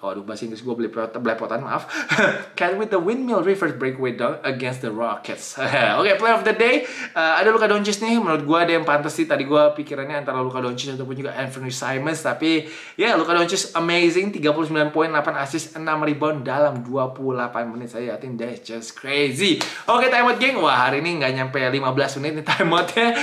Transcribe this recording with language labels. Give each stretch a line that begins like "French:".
Indonesian: Aduh, bahasa Inggris gue belepotan, maaf.
English: Cat with the windmill reverse breakaway dunk against the Rockets.
Indonesian: Oke, player of the day, ada Luka Doncic nih. Menurut gue ada yang pantas sih. Tadi gue pikirannya antara Luka Doncic ataupun juga Anthony Simons. Tapi ya, yeah, Luka Doncic amazing. 39 poin, 8 assist, 6 rebound dalam 28 menit saja.
English: I think that's just crazy.
Indonesian: Oke, timeout geng. Wah, hari ini gak nyampe 15 menit nih timeoutnya.